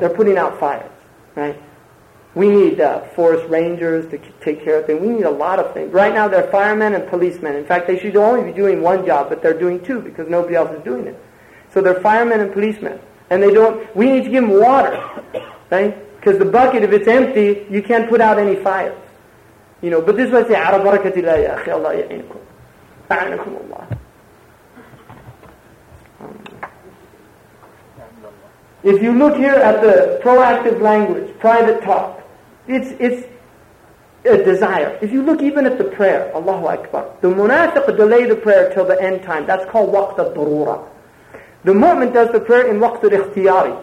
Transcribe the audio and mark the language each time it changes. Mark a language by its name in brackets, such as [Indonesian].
[English] They're putting out fires, right? We need forest rangers to take care of things. We need a lot of things. Right now, they're firemen and policemen. In fact, they should only be doing one job, but they're doing two because nobody else is doing it. So they're firemen and policemen. And we need to give them water, right? Because the bucket, if it's empty, you can't put out any fires. You know, but this is what I say, [Arabic] عَرَى بَرَكَةِ اللَّهِ يَا أَخِي اللَّهِ يَعِنِكُمْ أَعْنِكُمُ اللَّهِ. [English] If you look here at the proactive language, private talk, it's a desire. If you look even at the prayer, Allahu Akbar, the munafiq delay the prayer till the end time. That's called waqt al-durura. The mu'min does the prayer in waqt al-ikhtiyari.